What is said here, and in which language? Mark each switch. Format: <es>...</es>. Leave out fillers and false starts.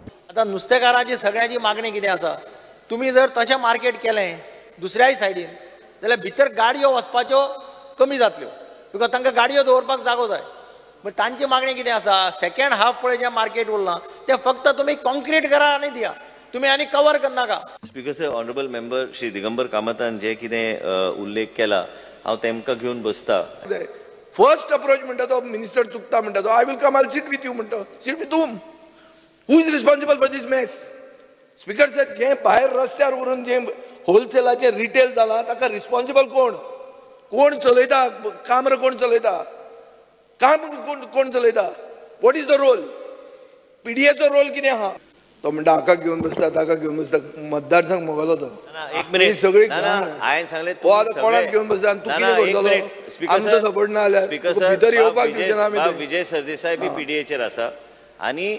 <gom>आतां नुस्तेकारांची सगळ्यांची मागणी कितें आसा, तुमी जर तशें मार्केट केलें दुसऱ्याय सायडीन जाल्यार भितर गाडयो वचपाच्यो कमी जातल्यो, बिकॉज तांकां गाडयो दवरपाक जागो जाय। तांची मागणी कितें आसा, सेकेंड हाफ पळय जें मार्केट उरलां तें फक्त तुमी काँक्रीट करा आनी दिया, तुमी आनी कवर करनाका। Speaker sir, honourable member Shri Digambar कामतान जें कितें उल्लेख केला हांव तेमकां घेवन बसता।</gom> <en>first approach</en> <gom>म्हणटा तो मिनिस्टर चुकता म्हणटा तो</gom> <en>I will come आयल sit with you म्हणटा, sit with whom, who is responsible for this mess.</en> <gom>स्पीकर सर, जें भायर रस्त्यार उरून जें होलसेलाचें रिटेल जालां ताका रिस्पॉन्सिबल कोण, कोण चलयता कामर, कोण चलयता काम, कोण चलयता,</gom> <en>what is the role,</en> <gom>पिडीएचो role कितें आहा। तो म्हणटा हाका घेऊन बसता, ताका घेऊन बसता, मतदारसंघ मोगलो तो सगळी हांवें सांगले कोणाक घेऊन बसता आनी तूं कितें करतलो, आमचो सपोर्ट ना जाल्यार भितर येवपाक दिवचे ना। आमी विजय सरदेसाय बी पिडीएचेर आसा आनी</gom>